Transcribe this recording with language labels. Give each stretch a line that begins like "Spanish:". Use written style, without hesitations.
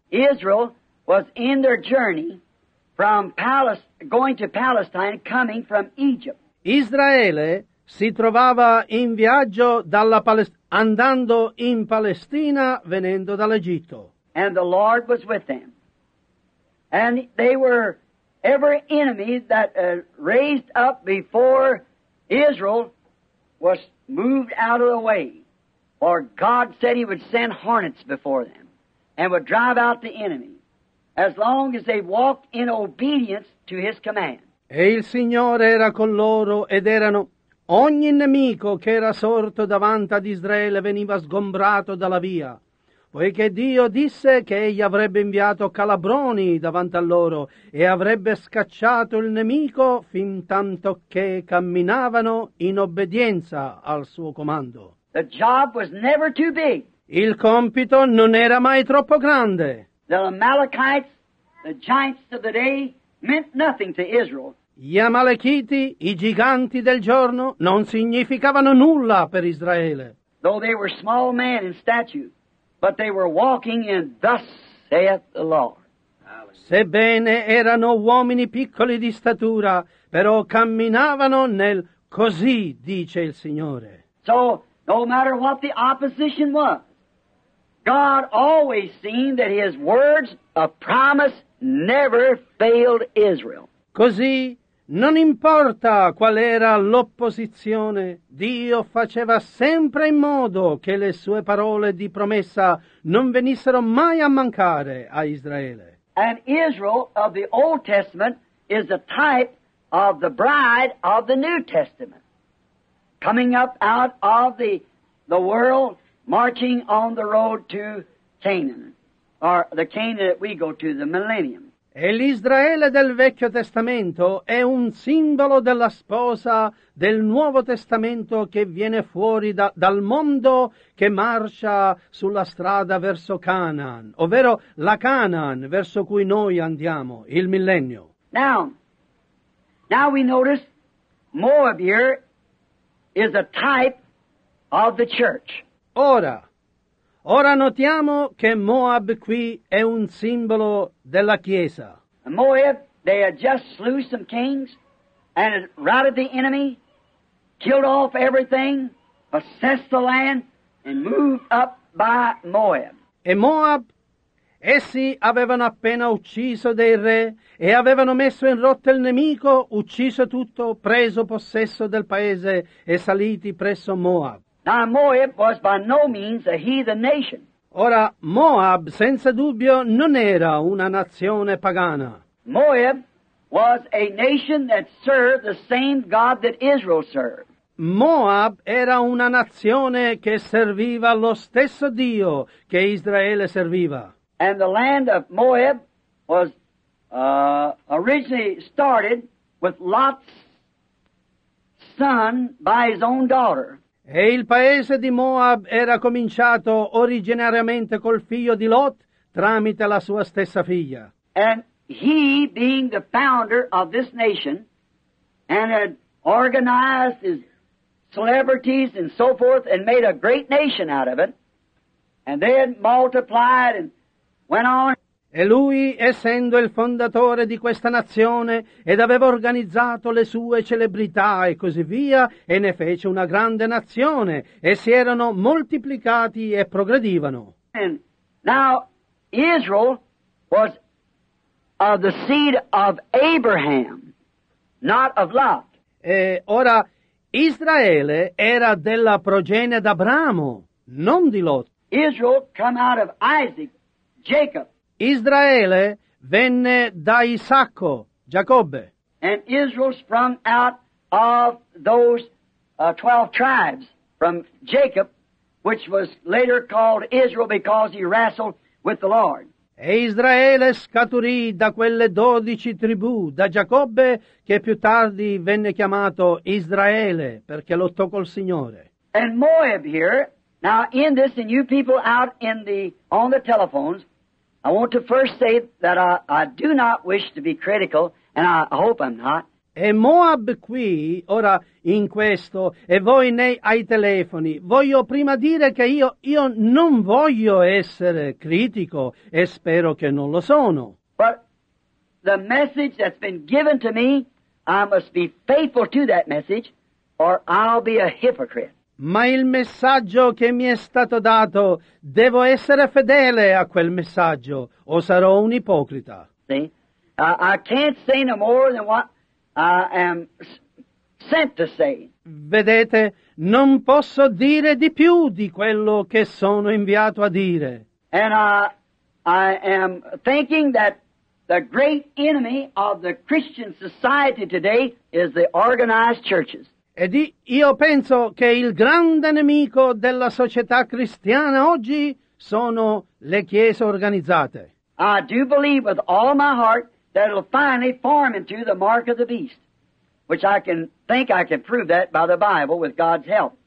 English: Israel was in their journey from Palestine, going to Palestine, coming from Egypt.
Italian: Israele si trovava in viaggio dalla andando in Palestina venendo dall'Egitto.
English: And the Lord was with them. And they were every enemy that raised up before Israel was moved out of the way. Or God said he would send hornets before them and would drive out the enemy as long as they walked in obedience to his command.
Italian: E il Signore era con loro ed erano ogni nemico che era sorto davanti ad Israele veniva sgombrato dalla via, poiché Dio disse che egli avrebbe inviato calabroni davanti a loro e avrebbe scacciato il nemico fin tanto che camminavano in obbedienza al suo comando.
English: The job was never too big.
Italian: Il compito non era mai troppo grande.
English: The Amalekites, the giants of the day, meant nothing to Israel.
Italian: Gli Amalekiti, i giganti del giorno, non significavano nulla per Israele.
English: Though they were small men in stature, but they were walking in thus saith the Lord.
Italian: Sebbene erano uomini piccoli di statura, però camminavano nel così dice il Signore.
English: So, no matter what the opposition was, God always seen that his words of promise never failed Israel.
Italian: Così, non importa qual era l'opposizione, Dio faceva sempre in modo che le sue parole di promessa non venissero mai a mancare a Israele.
English: And Israel of the Old Testament is a type of the bride of the New Testament, coming up out of the world, marching on the road to Canaan, or the Canaan that we go to, the millennium.
Italian: E l'Israele del Vecchio Testamento è un simbolo della sposa del Nuovo Testamento che viene fuori dal mondo che marcia sulla strada verso Canaan, ovvero la Canaan verso cui noi andiamo, il millennio.
English: Now we notice Moab here is a type of the church.
Italian: Ora notiamo che Moab qui è un simbolo della Chiesa.
English: Moab, they had just slew some kings and had routed the enemy, killed off everything, possessed the land, and moved up by Moab.
Italian: E Moab, essi avevano appena ucciso dei re e avevano messo in rotta il nemico, ucciso tutto, preso possesso del paese e saliti presso Moab.
English: Now, Moab was by no means a heathen nation.
Italian: Ora, Moab, senza dubbio, non era una nazione pagana.
English: Moab was a nation that served the same God that Israel served.
Italian: Moab era una nazione che serviva lo stesso Dio che Israele serviva.
English: And the land of Moab was originally started with Lot's son by his own daughter.
Italian: E il paese di Moab era cominciato originariamente col figlio di Lot tramite la sua stessa figlia.
English: And he being the founder of this nation and had organized his celebrities and so forth and made a great nation out of it and then multiplied and went on.
Italian: E lui, essendo il fondatore di questa nazione, ed aveva organizzato le sue celebrità e così via, e ne fece una grande nazione, e si erano moltiplicati e progredivano.
English: And now, Israel was of the seed of Abraham, not of Lot.
Italian: E ora, Israele era della progenie d'Abramo, non di Lot.
English: Israel come out of Isaac, Jacob.
Italian: Israele venne da Isacco, Giacobbe.
English: And Israel sprung out of those 12 tribes from Jacob which was later called Israel because he wrestled with the Lord.
Italian: E Israele scaturì da quelle 12 tribù, da Giacobbe, che più tardi venne chiamato Israele, perché lottò col Signore.
English: And Moab here, now in this, and you people out in the on the telephones, I want to first say that I do not wish to be critical, and I hope I'm not.
Italian: E Moab qui, ora in questo, e voi ai telefoni, voglio prima dire che io non voglio essere critico, e spero che non lo sono.
English: But the message that's been given to me, I must be faithful to that message, or I'll be a hypocrite.
Italian: Ma il messaggio che mi è stato dato, devo essere fedele a quel messaggio, o sarò un ipocrita.
English: See? I can't say no more than what I am sent to say.
Italian: Vedete, non posso dire di più di quello che sono inviato a dire.
English: And I am thinking that the great enemy of the Christian society today is the organized churches.
Italian: Ed io penso che il grande nemico della società cristiana oggi sono le chiese organizzate.
English: I do believe with all my heart that it'll finally form into the mark of the beast, which I can think I can prove that by the Bible with God's help.